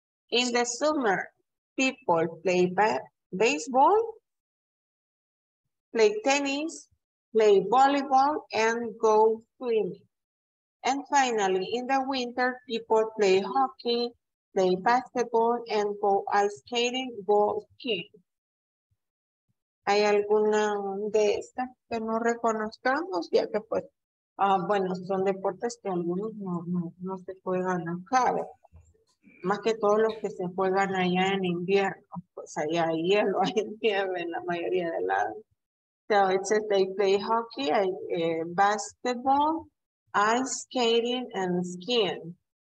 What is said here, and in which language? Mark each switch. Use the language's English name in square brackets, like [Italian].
[English] In the summer, people play baseball, play tennis, play volleyball, and go swimming. And finally, in the winter, people play hockey, play basketball, and go ice skating, go skiing. [Spanish] ¿Hay alguna de estas que no reconozcamos? Ya que pues, bueno, son deportes que algunos no se juegan acá. Más que todos los que se juegan allá en invierno. Pues allá hay hielo, hay nieve en la mayoría de lados. [English] So it says they play hockey, basketball, ice skating, and skiing.